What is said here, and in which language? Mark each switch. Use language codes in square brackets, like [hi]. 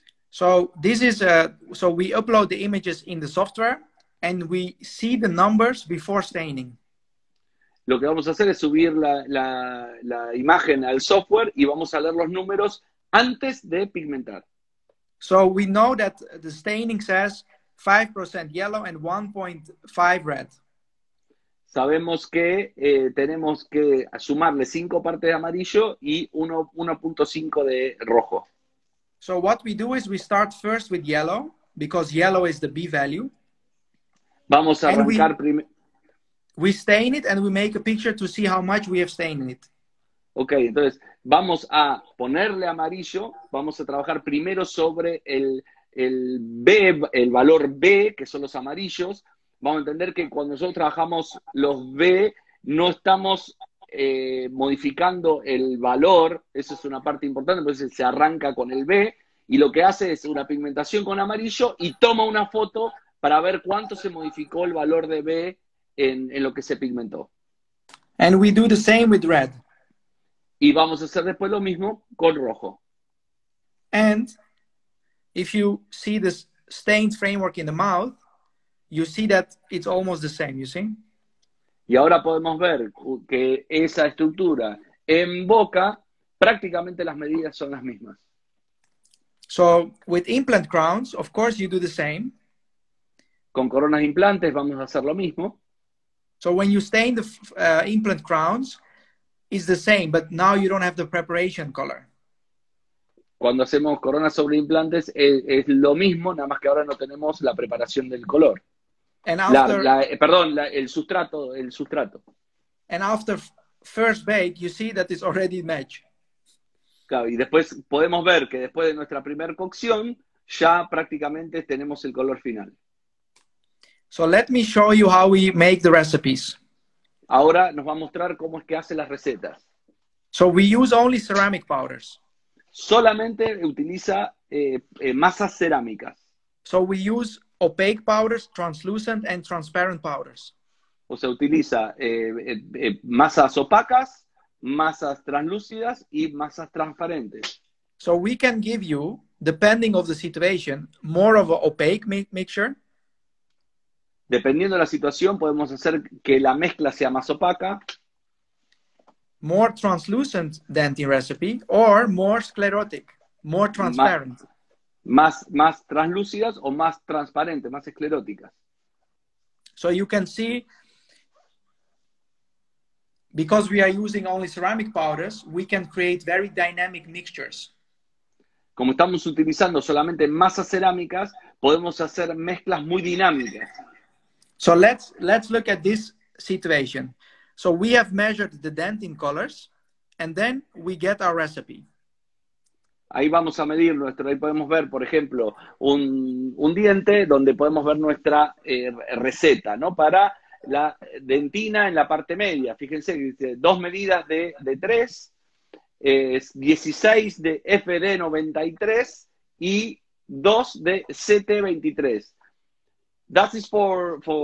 [en] So, this is so we upload the images in the software and we see the numbers before staining. [es] Lo que vamos a hacer es subir la imagen al software y vamos a leer los números antes de pigmentar. [en] So we know that the staining says 5% yellow and 1.5 red. [es] Sabemos que tenemos que sumarle 5 partes de amarillo y 1.5 de rojo. [en] So what we do is we start first with yellow because yellow is the B value. [es] Vamos a arrancar primero. [en] We stain it and we make a picture to see how much we have stained it. [es] Okay, entonces vamos a ponerle amarillo, vamos a trabajar primero sobre el B, el valor B, que son los amarillos. Vamos a entender que cuando nosotros trabajamos los B, no estamos modificando el valor, eso es una parte importante, entonces se arranca con el B, y lo que hace es una pigmentación con amarillo y toma una foto para ver cuánto se modificó el valor de B en lo que se pigmentó. [en] And we do the same with red. [es] Y vamos a hacer después lo mismo con rojo. [en] And if you see this stained framework in the mouth, you see that it's almost the same, you see? [es] Y ahora podemos ver que esa estructura en boca, prácticamente las medidas son las mismas. [en] So with implant crowns, of course you do the same. [es] Con coronas implantes vamos a hacer lo mismo. [en] So when you stain the implant crowns, it's the same, but now you don't have the preparation color. [es] Cuando hacemos coronas sobre implantes, es lo mismo, nada más que ahora no tenemos la preparación del color. [en] And after, [es] el sustrato. [en] And after first bake, you see that it's already matched. [es] Claro, y después podemos ver que después de nuestra primera cocción, ya prácticamente tenemos el color final. [en] So let me show you how we make the recipes. [es] Ahora nos va a mostrar cómo es que hace las recetas. [en] So we use only ceramic powders. [es] Solamente utiliza masas cerámicas. [en] So we use opaque powders, translucent and transparent powders. [es] O sea, utiliza masas opacas, masas translúcidas y masas transparentes. [en] So we can give you, depending of the situation, more of an opaque mixture. [es] Dependiendo de la situación, podemos hacer que la mezcla sea más opaca. [en] More translucent dentine recipe or more sclerotic, more transparent. [es] Más translúcidas o más transparentes, más escleróticas. [en] So you can see, because we are using only ceramic powders, we can create very dynamic mixtures. [es] Como estamos utilizando solamente masas cerámicas, podemos hacer mezclas muy dinámicas. [en] So let's look at this situation. So we have measured the dentine colors and then we get our recipe. [es] Ahí vamos a medir nuestro, ahí podemos ver, por ejemplo, un diente donde podemos ver nuestra receta, ¿no? Para la dentina en la parte media. Fíjense, dice, dos medidas de 3, es 16 de FD93 y 2 de CT23. [en] That is for